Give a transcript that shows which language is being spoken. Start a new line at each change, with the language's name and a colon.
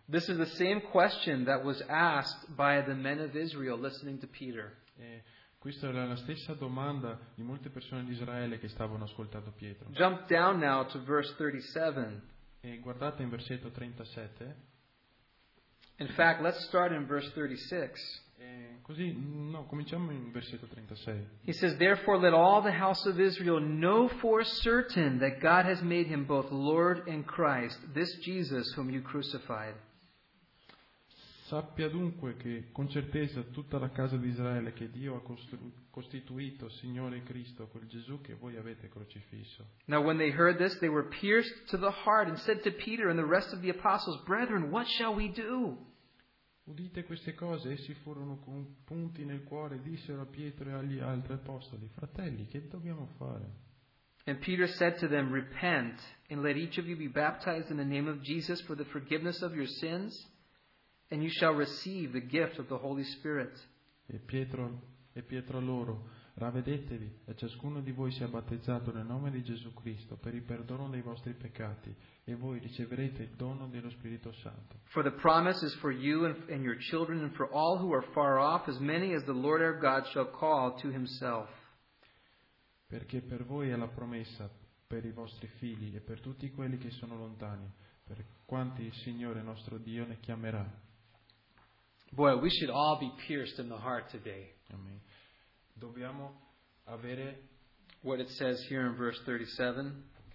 English: This is the same question that was asked by the men of Israel listening to Peter.
Italian: Questa era la stessa domanda di molte persone di Israele che stavano ascoltando Pietro.
English: Jump down now to verse 37.
Italian: E guardate in versetto 37.
English: In fact, let's start in verse 36.
Italian: Così, no, cominciamo in versetto 36.
English: He says, therefore let all the house of Israel know for certain that God has made him both Lord and Christ, this Jesus whom you crucified.
Italian: Sappia dunque che con certezza tutta la casa di Israele che Dio ha costituito Signore Cristo, quel Gesù che voi avete crocifisso.
English: Now when they heard this, they were pierced to the heart and said to Peter and the rest of the apostles, brethren, what shall we do?
Italian: Udite queste cose, essi furono con punti nel cuore, dissero a Pietro e agli altri apostoli, fratelli, che dobbiamo fare?
English: And Peter said to them, repent, and let each of you be baptized in the name of Jesus for the forgiveness of your sins, and you shall receive the gift of the Holy Spirit.
Italian: E Pietro loro, ravvedetevi, e ciascuno di voi sia battezzato nel nome di Gesù Cristo per il perdono dei vostri peccati, e voi riceverete il dono dello Spirito Santo.
English: For the promise is for you and your children and for all who are far off, as many as the Lord our God shall call to himself.
Italian: Perché per voi è la promessa, per i vostri figli e per tutti quelli che sono lontani, per quanti il Signore nostro Dio ne chiamerà.
English: Boy, we should all be pierced in the heart today.
Italian: Amen. Dobbiamo avere
English: what it says here in verse 37.